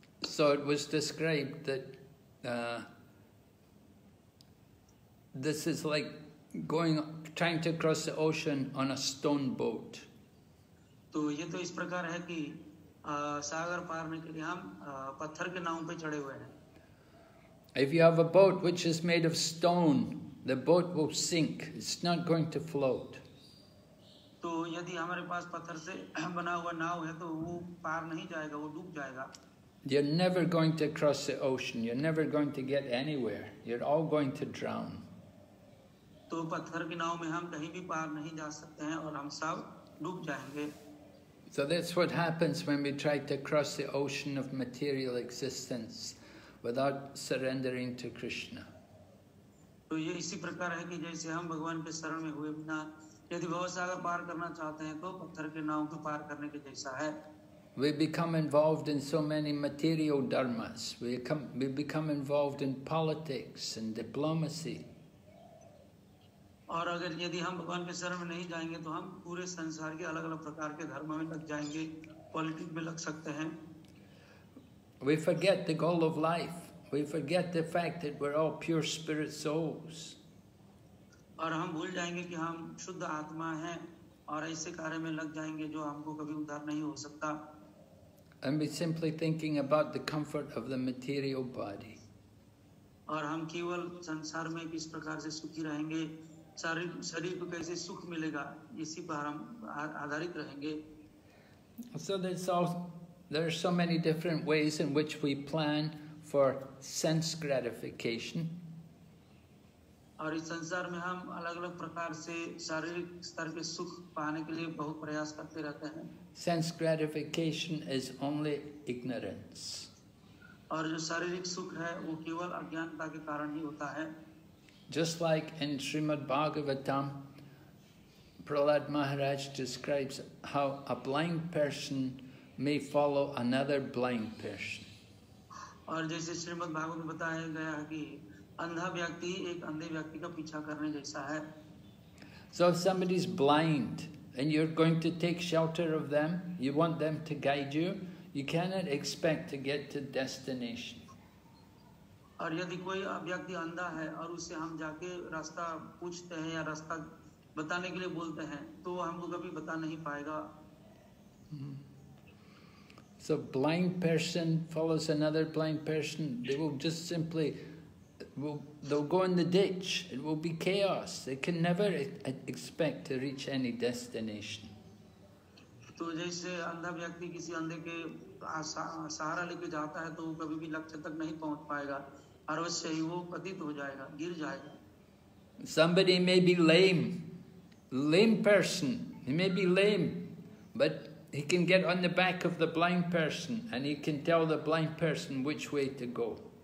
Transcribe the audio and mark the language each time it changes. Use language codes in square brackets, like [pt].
[en] So it was described that this is like going, trying to cross the ocean on a stone boat. [hi] तो ये तो इस प्रकार है कि सागर पार करने के लिए हम पत्थर के नाव पे चढ़े हुए हैं. [en] If you have a boat which is made of stone, the boat will sink. It's not going to float. [hi] तो यदि हमारे पास पत्थर से बना हुआ नाव है, तो वो पार नहीं जाएगा, वो डूब जाएगा. [en] You're never going to cross the ocean. You're never going to get anywhere. You're all going to drown. [hi] तो पत्थर की नाव में हम कहीं भी पार नहीं जा सकते हैं और हम सब डूब जाएंगे. [en] So that's what happens when we try to cross the ocean of material existence without surrendering to Krishna. [hi] तो ये इसी प्रकार है कि जैसे हम भगवान के शरण में हुए बिना यदि भवसागर पार करना चाहते हैं तो पत्थर के नाव को पार करने के जैसा है. [en] We become involved in so many material dharmas. We become involved in politics and diplomacy. [hi] और अगर यदि हम भगवान के शरण में नहीं जाएंगे तो हम पूरे संसार के अलग अलग प्रकार के धर्मों में लग जाएंगे, पॉलिटिक्स में लग सकते हैं. [en] We forget the goal of life. We forget the fact that we're all pure spirit souls. [hi] और हम भूल जाएंगे कि हम शुद्ध आत्मा हैं और ऐसे कार्य में लग जाएंगे जो हमको कभी उद्धार नहीं हो सकता. [en] And be simply thinking about the comfort of the material body. [hi] और हम केवल संसार में किस प्रकार से सुखी रहेंगे, शरीर को कैसे सुख मिलेगा, इसी पर हम आधारित रहेंगे. [en] So there are so many different ways in which we plan for sense gratification. [hi] और इस संसार में हम अलग अलग प्रकार से शारीरिक स्तर के सुख पाने के लिए बहुत प्रयास करते रहते हैं. [en] Sense gratification is only ignorance. [hi] और जो शारीरिक सुख है वो केवल अज्ञानता के कारण ही होता है. [en] Just like in Srimad Bhagavatam, Prahlad Maharaj describes how a blind person may follow another blind person. [hi] और जैसे श्रीमद् भागवत में बताया गया है कि अंधा व्यक्ति एक अंधे व्यक्ति का पीछा करने जैसा है. [en] So if somebody is blind and you're going to take shelter of them, you want them to guide you, you cannot expect to get to destination. [hi] और यदि कोई व्यक्ति अंधा है और उसे हम जाके रास्ता पूछते हैं या रास्ता बताने के लिए बोलते हैं, तो वो हमको कभी बता नहीं पाएगा. [en] So blind person follows another blind person, they will just simply, they'll go in the ditch, it will be chaos, they can never expect to reach any destination. Somebody may be lame, lame person, he may be lame, but he can get on the back of the blind person and he can tell the blind person which way to go.